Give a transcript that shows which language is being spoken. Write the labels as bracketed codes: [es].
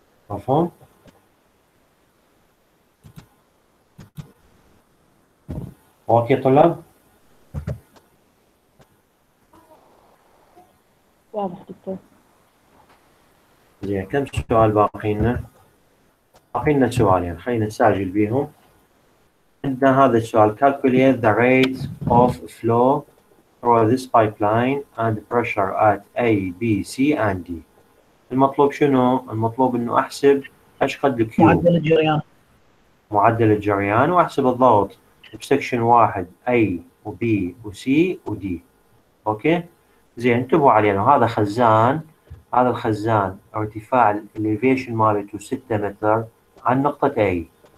[ar] مفهوم؟ أوكي طلاب واضح دكتور. زين كم سؤال باقي لنا؟ باقي لنا سؤالين خلينا نسجل بيهم. عندنا هذا السؤال [en] calculate the rate of flow through this pipeline and pressure at A, B, C and D. [ar] المطلوب شنو؟ المطلوب انه احسب اشقد الكيو معدل الجريان، معدل الجريان واحسب الضغط بسكشن واحد A وB وC وD اوكي؟ زين انتبهوا علي انه هذا خزان، هذا الخزان ارتفاع الاليفيشن مالته 6 متر عن نقطة اي.